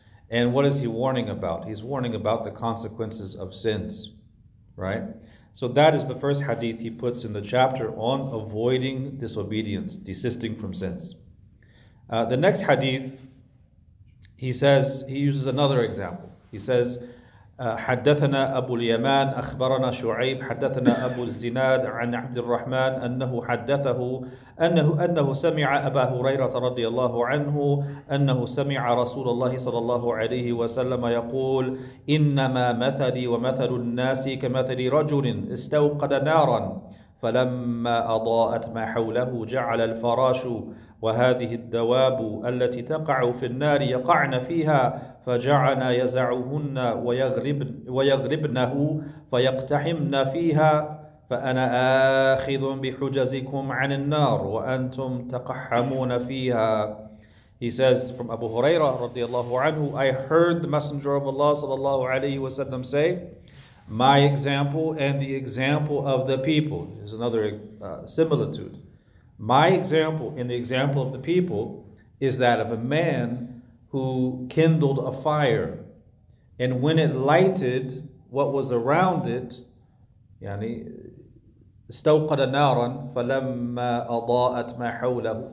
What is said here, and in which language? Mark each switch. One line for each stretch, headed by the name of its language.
English: And what is he warning about? He's warning about the consequences of sins, right? So that is the first hadith he puts in the chapter on avoiding disobedience, desisting from sins. The next hadith, he says, he uses another example. He says,
Arabic: حَدَّثَنَا أَبُو الْيَمَانِ أَخْبَرَنَا شُعَيْبُ حَدَّثَنَا أَبُو الزِّنَادِ عَنْ عَبْدِ الرَّحْمَنِ أَنَّهُ حَدَّثَهُ أَنَّهُ سَمِعَ أَبَا هُرَيْرَةَ رَضِيَ اللَّهُ عَنْهُ أَنَّهُ سَمِعَ رَسُولَ اللَّهِ صَلَى اللَّهُ عَلَيْهِ وَسَلَّمَ يَقُولُ إِنَّمَا مَثَلِي وَمَثَلُ النَّاسِ كَمَثَلِ رَجُلٍ اسْتَوْقَدَ نَارًا فَلَمَّا أَضَاءَتْ مَا حَوْلَهُ جَعَلَ الْفَرَاشُ وهذه الدواب التي تقع في النار يقعن فيها فجعنا يزعهن ويغربنه فيقتحمن فيها فأنا آخذ بحجزكم عن النار وأنتم تقحمون فيها.
English: He says from Abu Huraira رضي الله عنه, I heard the Messenger of Allah صلى الله عليه وسلم say, my example and the example of the people. This is another similitude. My example and the example of the people is that of a man who kindled a fire, and when it lighted what was around it, yani
Arabic: استوقد نارا فلما أضاءت ما حوله.